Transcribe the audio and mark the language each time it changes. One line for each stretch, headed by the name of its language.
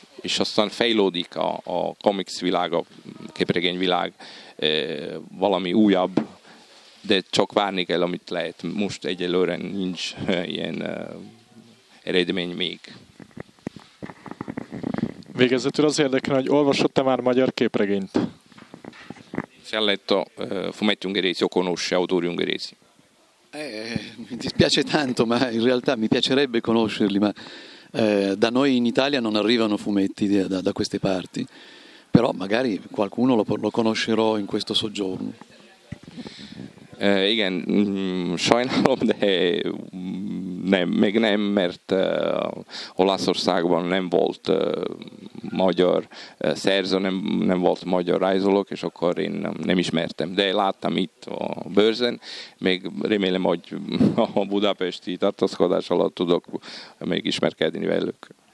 Hungarian: sostan fejlődik a comics világa, képregény világ, valami újabb, de csak várni kell, amit lehet. Most egyelőre nincs ilyen eredmény még. Végezetül az érdekel, hogy olvasott-e már magyar képregényt?
Italian: Felletto fumetti ungheresi o conosce autori ungheresi? Mi dispiace tanto, ma in realtà mi piacerebbe conoscerli, ma da noi in Italia non arrivano fumetti da queste parti, però magari qualcuno lo conoscerò in questo soggiorno.
Hungarian: Igen, sajnálom, de nem, még nem, mert Olaszországban nem volt magyar szerző, nem volt magyar rajzolók, és akkor én nem ismertem. De láttam itt a bőrzen, még remélem, hogy a budapesti tartózkodás alatt tudok még ismerkedni velük.